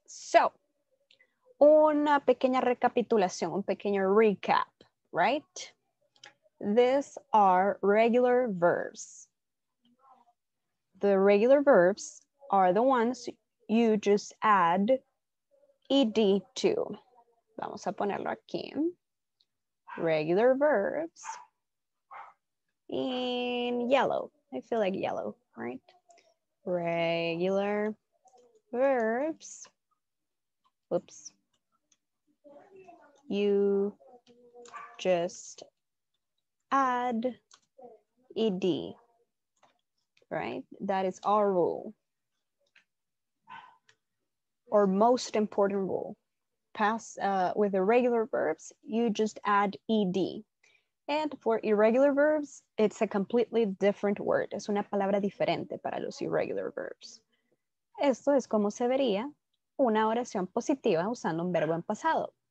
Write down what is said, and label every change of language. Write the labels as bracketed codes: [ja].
[es] So, una pequeña recapitulación, un pequeño recap, right? [en] These are regular verbs. The regular verbs are the ones you just add ed to. [es] Vamos a ponerlo aquí. [en] Regular verbs in yellow. I feel like yellow, right? Regular verbs. Oops. You just add ed. Right? That is our rule. Or most important rule. Pass with irregular verbs, you just add ed. And for irregular verbs, it's a completely different word. [es] Es una palabra diferente para los [en] irregular verbs. [es] Esto es como se vería una oración positiva usando un verbo en pasado.